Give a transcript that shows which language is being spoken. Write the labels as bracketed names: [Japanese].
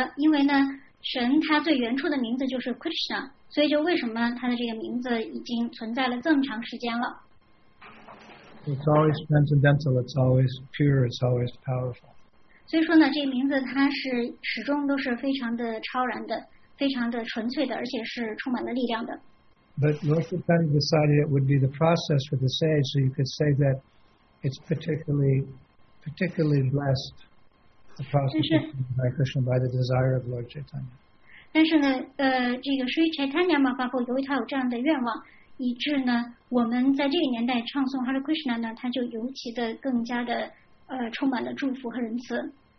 [Chinese] 但是这个也是很合理的，因为呢，神他最原初的名字就是Krishna, 所以就为什么他的这个名字已经存在了这么长时间了。 [English] It's always transcendental, it's always pure, it's always powerful. [Chinese] 所以说呢，这个名字它是始终都是非常的超然的，非常的纯粹的，而且是充满了力量的。 [English] But Lord Chaitanya decided it would be the process for the sage, so you could say that it's particularly blessed, the process of Hare Krishna by the desire of Lord Chaitanya. [Chinese] 但是呢，这个 Sri Chaitanya Mahaprabhu 由于他有这样的愿望，以致呢，我们在这个年代唱诵 Hare Krishna 呢，他就尤其的更加的充满了祝福和仁慈。